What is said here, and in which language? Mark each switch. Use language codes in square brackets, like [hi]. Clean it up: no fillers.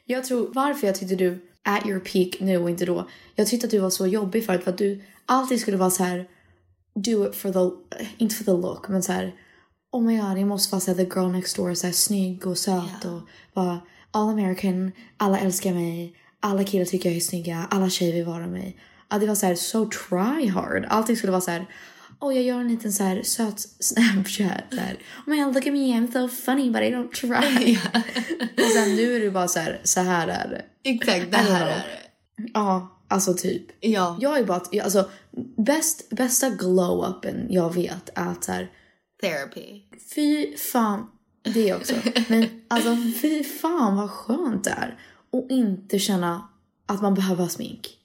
[sv] jag tror varför jag tyckte du [en] at your peak [sv] nu och inte då. Jag tyckte att du var så jobbig för att du alltid skulle vara så här [en] do it for the, [sv] inte [en] for the look, [sv] men så här, oh my god, jag måste vara så här, [en] the girl next door, [sv] så här, snygg och söt, yeah. Och bara all American, alla älskar mig, alla killar tycker jag är snygga, alla tjejer vill vara mig. Att det var så här, [en] so try hard. [sv] Allting skulle vara så här, oh, jag gör en liten så här söt Snapchat där. [en] Oh my god, look at me, I'm so funny, but I don't try. [sv] Och sen nu är du bara så här är det. Exakt, det här är ja, alltså typ. Ja. Jag är bara, alltså, bästa glow-upen jag vet är att så här, [en] therapy. [sv] Fy fan, det också. Men alltså, fy fan, vad skönt det är. Och inte känna att man behöver smink.